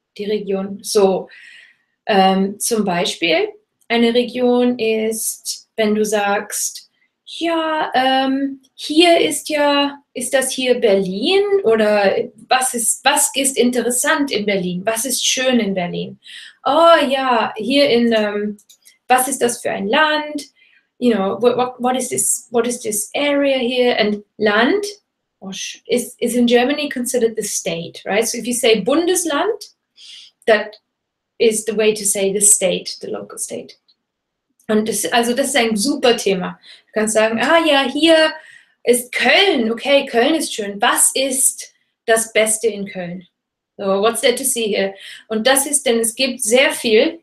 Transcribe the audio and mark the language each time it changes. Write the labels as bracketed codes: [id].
[de] Die Region, so zum Beispiel, eine Region ist, wenn du sagst, ja, hier ist ja, ist das hier Berlin oder was ist interessant in Berlin? Was ist schön in Berlin? Oh ja, hier in, was ist das für ein Land? [en] You know, what is this area here? And Land is in Germany considered the state, right? So if you say Bundesland, that is the way to say the state, the local state. [de] Und das, also das ist ein super Thema. Du kannst sagen, ah ja, hier ist Köln. Okay, Köln ist schön. Was ist das Beste in Köln? So, [en] what's there to see here? [de] Und das ist, denn es gibt sehr viel.